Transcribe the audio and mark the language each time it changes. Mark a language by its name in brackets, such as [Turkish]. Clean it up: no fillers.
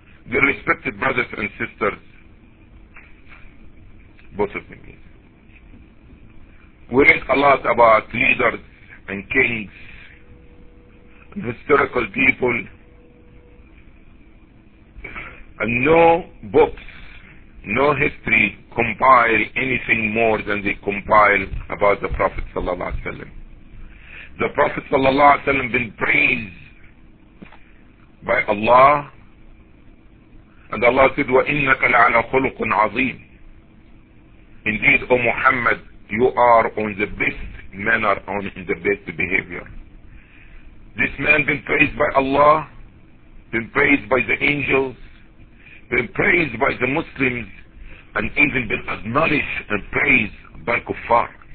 [English] The respected brothers and sisters, both of them, we read a lot about leaders and kings and historical people, and no books, no history compile anything more than they compile about the Prophet sallallahu alaihi wasallam. The Prophet sallallahu alaihi wasallam been praised by Allah. And Allah said, [Arabic] وَإِنَّكَ لَعَلَى خُلُقٌ عَظِيمٌ. [English] Indeed, O Muhammad, you are on the best manner, on the best behavior. This man been praised by Allah, been praised by the angels, been praised by the Muslims, and even been acknowledged and praised by kuffar.